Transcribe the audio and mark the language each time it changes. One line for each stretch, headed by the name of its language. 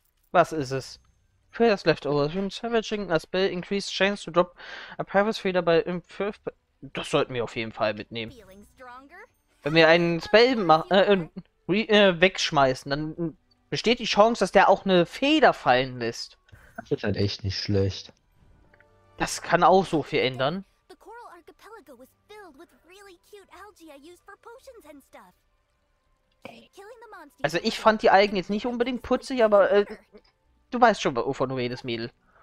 German: Was ist es? Für das
English: Leftover. Wenn Savaging a Spell increased chance to drop a Purpose Feeder by 5.
German: Das sollten wir auf jeden Fall mitnehmen. Wenn wir einen Spell wegschmeißen, dann besteht die Chance, dass der auch eine Feder fallen lässt. Das ist halt echt nicht schlecht. Das kann auch so viel ändern.
English: The Coral Archipelago was filled with really cute algae I used for potions and stuff.
German: Also ich fand die Algen jetzt nicht unbedingt putzig, aber du weißt schon, wovon du redest, Mädel.